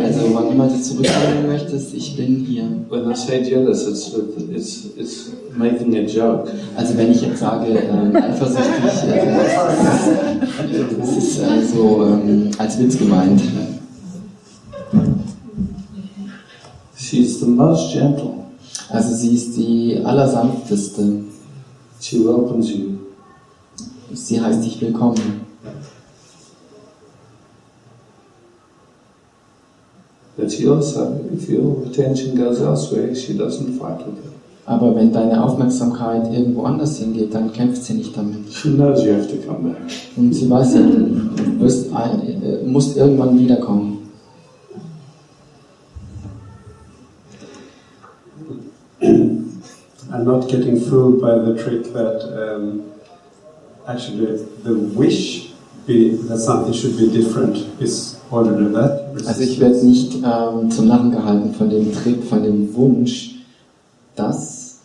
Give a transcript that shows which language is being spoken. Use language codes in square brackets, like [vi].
[de] Also, wann immer du zurückkommen möchtest, ich bin hier. [en] When I say jealous, it's making a joke. [de] Also wenn ich jetzt sage, eifersüchtig, das ist so als Witz gemeint. [en] She is the most gentle. [de] Also sie ist die allersanfteste. [en] She welcomes you. [de] Sie heißt dich willkommen. [en] But she also, if your attention goes elsewhere, she doesn't fight with you. [de] Aber wenn deine Aufmerksamkeit irgendwo anders hingeht, dann kämpft sie nicht damit. [en] She knows you have to come back. [de] Und sie weiß ja, du musst irgendwann wiederkommen. [en] I'm not getting fooled by the trick that actually the wish be, that something should be different is order than that. [de] Also ich werde nicht zum Lachen gehalten von dem Trick, von dem Wunsch, dass